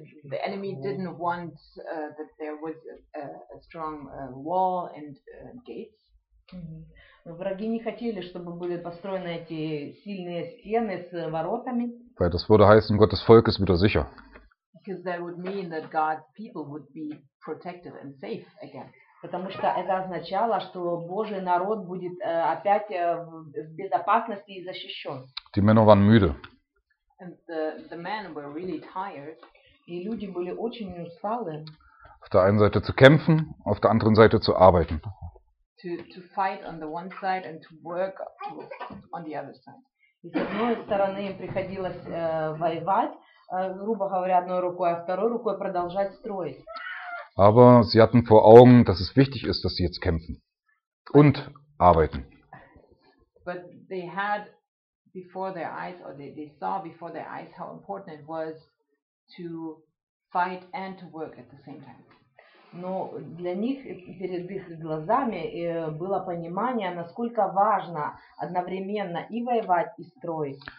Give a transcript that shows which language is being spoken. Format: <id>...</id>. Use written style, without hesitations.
<en>The enemy didn't want that there was a strong wall and gates. Mm-hmm.</en> <ru>Враги не хотели, чтобы были построены эти сильные стены с воротами.</ru> <de>Weil das würde heißen, Gottes Volk ist wieder sicher.</de> <en>Because that would mean that God's people would be protected and safe again.</en> <ru>Потому что это означало, что Божий народ будет опять в безопасности и защищен.</ru> <de>Die Männer waren müde.</de> <en>And the men were really tired.</en> <ru>И люди были очень усталые.</ru> <de>Auf der einen Seite zu kämpfen, auf der anderen Seite zu arbeiten.</de> <en>To fight on the one side and to work on the other side.</en> <ru>И с одной стороны им приходилось воевать, грубо говоря, одной рукой, а второй рукой продолжать строить.</ru> <de>Aber sie hatten vor Augen, dass es wichtig ist, dass sie jetzt kämpfen und arbeiten.</de> <en>But they had before their eyes, or they saw before their eyes, how important it was to fight and to work at the same time.</en> <ru>Но для них, перед их глазами, было понимание, насколько важно одновременно и воевать, и строить.</ru>